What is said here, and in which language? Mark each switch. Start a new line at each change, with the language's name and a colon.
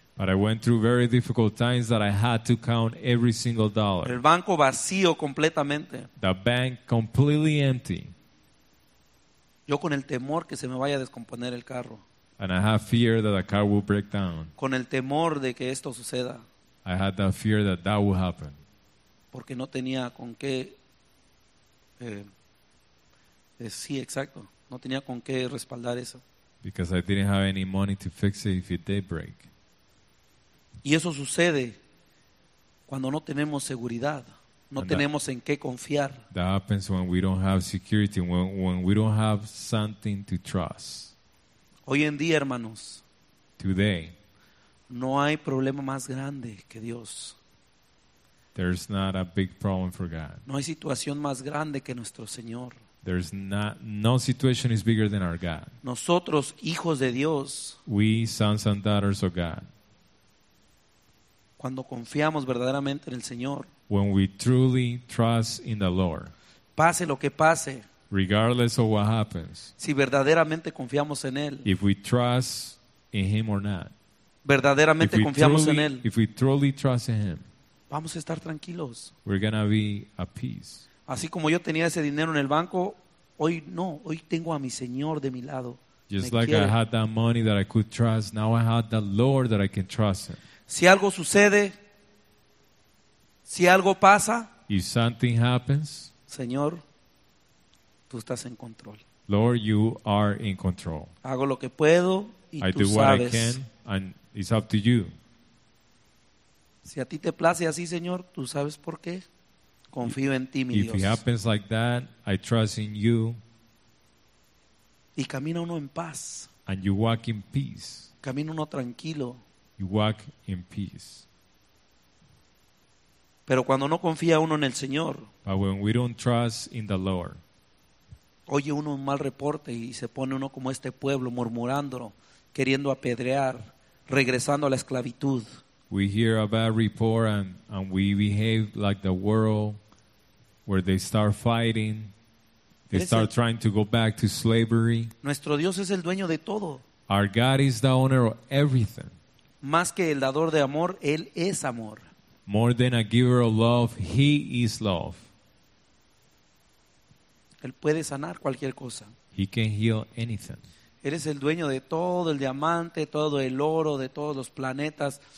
English: But I went through very difficult times that I had to count every single dollar.
Spanish: El banco vacío completamente.
English: The bank completely empty.
Spanish: Yo con el temor que se me vaya a descomponer el carro.
English: And I had fear that the car will break down.
Spanish: Con el temor de que esto suceda.
English: I had that fear that that would happen.
Spanish: Porque no tenía con qué. Sí, exacto. No tenía con qué respaldar eso.
English: Because I didn't have any money to fix it if it did break.
Spanish: Y eso sucede cuando no tenemos seguridad, no tenemos en qué confiar.
English: That happens when we don't have security, when we don't have something to trust.
Spanish: Hoy en día, hermanos,
English: today,
Spanish: no hay problema más grande que Dios.
English: There's not a big problem for God.
Spanish: No hay situación más grande que nuestro Señor.
English: There's not, no situation is bigger than our God.
Spanish: Nosotros, hijos de Dios,
English: we sons and daughters of God.
Spanish: Cuando confiamos verdaderamente en el Señor.
English: When we truly trust in the Lord.
Spanish: Pase lo que pase.
English: Regardless of what happens.
Spanish: Si verdaderamente confiamos en Él.
English: If we trust in Him or not.
Spanish: Verdaderamente confiamos en Él.
English: If we truly trust in Him.
Spanish: Vamos a estar tranquilos.
English: We're gonna be at peace.
Spanish: Así como yo tenía ese dinero en el banco, hoy no, hoy tengo a mi Señor de mi lado.
English: Just like I had that money that I could trust, now I had the Lord that I can trust Him.
Spanish: Si algo sucede, si algo pasa,
English: if something happens,
Spanish: Señor, Tú estás en control.
English: Lord, You are in control.
Spanish: Hago lo que puedo y
English: I
Spanish: Tú
English: do
Spanish: sabes.
English: What I can and it's up to You.
Spanish: Si a Ti te place así, Señor, Tú sabes por qué. Confío en Ti, mi
English: if
Spanish: Dios.
English: If it happens like that, I trust in You.
Spanish: Y camina uno en paz.
English: And you walk in peace.
Spanish: Camina uno tranquilo.
English: You walk in peace.
Spanish: Pero cuando no confía uno en el Señor,
English: but when we don't trust in the Lord,
Spanish: oye uno un mal reporte y se pone uno como este pueblo murmurando, queriendo apedrear, regresando a la esclavitud.
English: We hear a bad report and we behave like the world, where they start fighting, they start trying to go back to slavery.
Spanish: Nuestro Dios es el dueño de todo.
English: Our God is the owner of everything.
Spanish: Más que el dador de amor, Él es amor.
English: More than a giver of love, He is love.
Spanish: Él puede sanar cualquier cosa.
English: He can heal anything.
Spanish: Eres el dueño de todo el diamante, todo el oro, de todos los planetas.